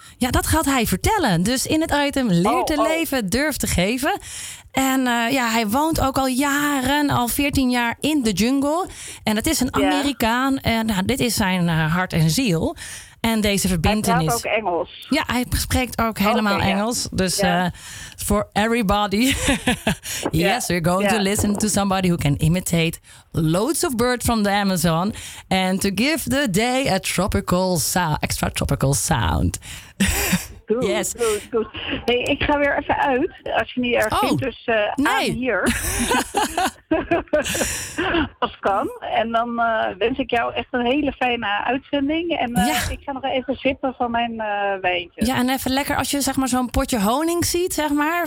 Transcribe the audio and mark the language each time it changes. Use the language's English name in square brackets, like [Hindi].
[Dutch] Ja, dat gaat hij vertellen. Dus in het item Leer te leven, durf te geven. En hij woont ook al 14 jaar in de jungle. En dat is een Amerikaan. En dit is zijn hart en ziel. En deze verbintenis. Hij praat ook Engels. Ja, hij spreekt ook helemaal Engels. [English] Dus for everybody. Yes, we're going to listen to somebody who can imitate loads of birds from the Amazon. And to give the day a tropical sound, extra tropical sound. [Dutch] Goed, yes. Goed. Hey, ik ga weer even uit. Als je niet erg vindt, dus hier. Als kan. En dan wens ik jou echt een hele fijne uitzending. En ik ga nog even zippen van mijn wijntje. Ja, en even lekker als je zeg maar zo'n potje honing ziet, zeg maar.